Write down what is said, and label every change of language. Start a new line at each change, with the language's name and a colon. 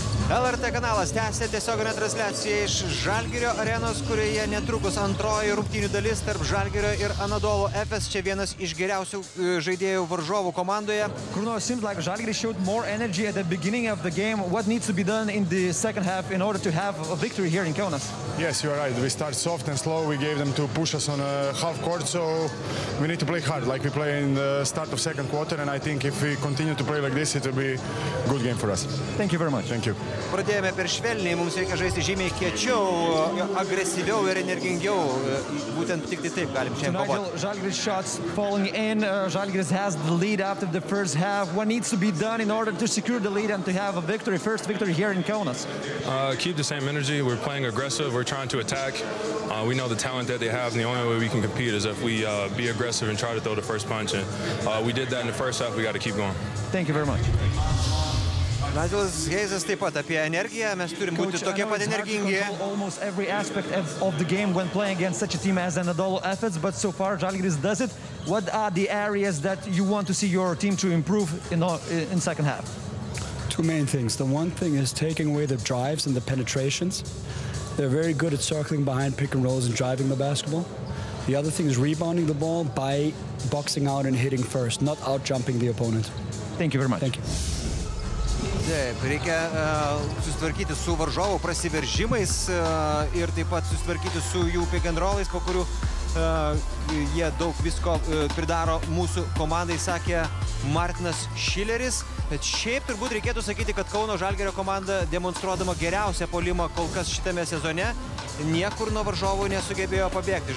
Lithuanian: LRT kanalas tęsia tiesioginę transliaciją iš Žalgirio arenos, kurioje netrukus antroji rungtynių dalis tarp Žalgirio ir Anadolo Efes. Čia vienas iš geriausių žaidėjų varžovų komandoje.
English: Kruno, seems like Žalgiris showed more energy at the beginning of the game. What needs to be done in the second half in order to have a victory here in Kaunas? Yes, you are right. We start soft and slow. We gave them to push us on a half court, so we need to play hard like we play in the start of second quarter, and I think if we continue to play like this, it will be a good game for us. Thank you very much. Thank you.
Lithuanian: Pradėjome per švelniai, mums reikia žaisti žymiai kiečiau, agresyviau ir energingiau. Būtent tik taip galim šiandien kovoti.
English: Nigel, Žalgiris shots falling in. Žalgiris has the lead after the first half. What needs to be done in order to secure the lead and to have a victory, first victory here in Kaunas? Keep the same energy. We're playing aggressive. We're trying to attack. We know the talent that they have, and the only way we can compete is if we be aggressive and try to throw the first punch. And, we did that in the first half. We got to keep going. Thank you very much.
Lithuanian: Nigelas Hayesas taip pat apie energiją. Mes turim būti tokie pat energingi.
English: Almost every aspect of the game when playing against such a team as Anadolu Efes, but so far Žalgiris does it. What are the areas that you want to see your team to improve in second half? Two main things. The one thing is taking away the drives and the penetrations. They're very good at circling behind pick and rolls and driving the basketball. The other thing is rebounding the ball by boxing out and hitting first, not out jumping the opponent. Thank you very much. Thank you.
Lithuanian: Taip, reikia susitvarkyti su varžovų prasiveržimais ir taip pat susitvarkyti su jų pick-and-rollais, po kurių jie daug visko pridaro mūsų komandai, sakė Martinas Šileris. Bet šiaip turbūt reikėtų sakyti, kad Kauno Žalgirio komanda, demonstruodama geriausią polimą kol kas šitame sezone, niekur nuo varžovų nesugebėjo pabėgti.